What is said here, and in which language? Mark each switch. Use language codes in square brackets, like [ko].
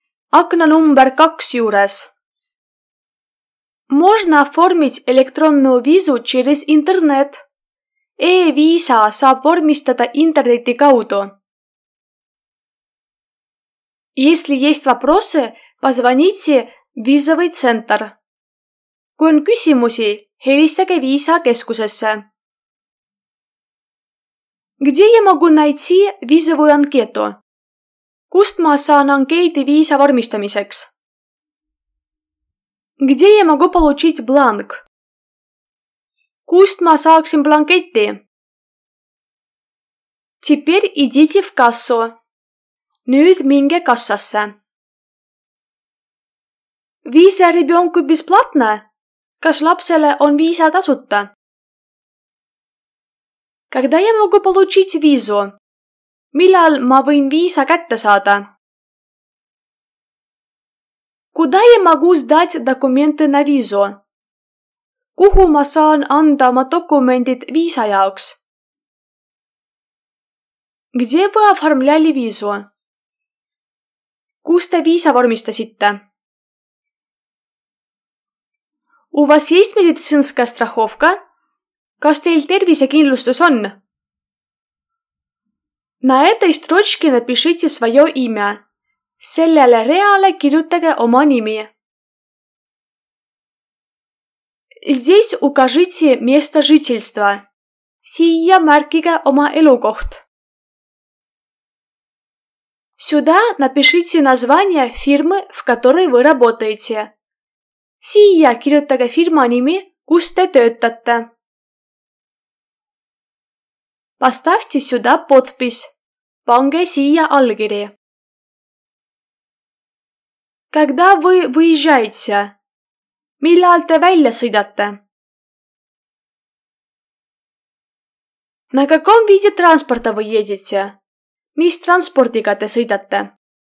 [ru] Окно номер 2 juures. Можно оформить электронную визу через интернет. [et] E-viisa saab vormistada interneti kaudu. [ru] Если есть вопросы, позвоните в визовый центр. [et] Kui on küsimusi, helistage viisakeskusesse. [ru] Где я могу найти визовую анкету? [et] Kust ma saan ankeedi viisa vormistamiseks? [ru] Где я могу получить бланк? [et] Kust ma saaksin blanketti? [ru] Теперь идите в кассу. [et] Nüüd minge kassasse. [ru] Viisa ребенку бесплатна? [et] Kas lapsele on viisa tasuta? [ru] Когда я могу получить визу? [et] Millal ma võin viisa kätte saada? [ru] Куда я могу сдать документы на визу? [et] Kuhu ma saan anda oma dokumentid viisa jaoks? [ru] Где вы оформляли визу? [et] Kus te viisa vormistasite? [ru] У вас есть медицинская страховка? [et] Kas teil tervisekindlustus on? [ru] На этой строчке напишите свое имя. [et] Sellele reale kirjutage oma nimi. [ru] Здесь укажите место жительства. [et] Siia märkige oma elukoht. [ru] Сюда напишите название фирмы, в которой вы работаете. [et] Siia kirjutage firma nimi, kus te töötate. [ru] Поставьте сюда подпись. [et] Pange siia allkiri. [ru] Когда вы выезжаете? [et] Millal te välja sõidate? [ru] На каком виде транспорта вы едете? [et] Mis transportiga te sõidate?